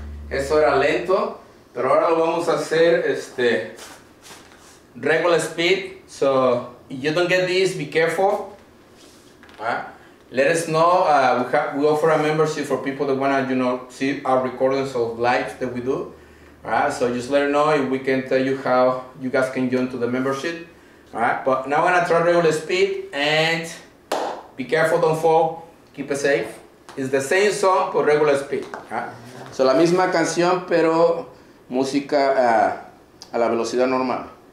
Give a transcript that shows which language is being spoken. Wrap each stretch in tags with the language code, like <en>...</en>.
<es>Eso era lento, pero ahora lo vamos a hacer</es> <en>regular speed. So if you don't get this, be careful. Let us know. We offer a membership for people that wanna, you know, see our recordings of live that we do. Alright, so just let us know if we can tell you how you guys can join to the membership. Alright, but now I'm gonna try regular speed and be careful, don't fall, keep it safe. It's the same song but regular speed.</en> <es>So la misma canción pero música a la velocidad normal.</es>